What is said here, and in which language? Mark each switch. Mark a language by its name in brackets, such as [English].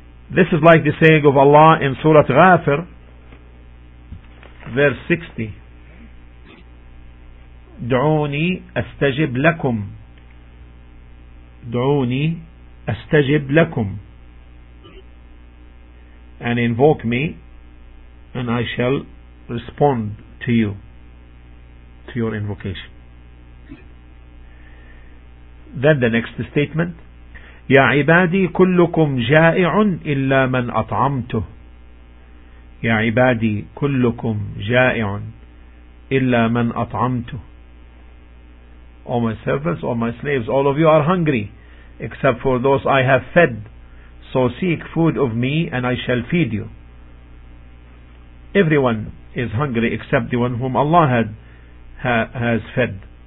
[English] This is like the saying of Allah in Surah Ghafir, verse 60, [Arabic] دعوني أستجب لكم. دعوني أستجب لكم, [English] and invoke me and I shall respond to you, to your invocation. Then the next statement, [Arabic] يا عبادي كلكم جائع إلا من أطعمته. يا عبادي كلكم جائع إلا من أطعمته. [English] All my servants, all my slaves, all of you are hungry except for those I have fed. So seek food of me and I shall feed you. Everyone is hungry except the one whom Allah has fed.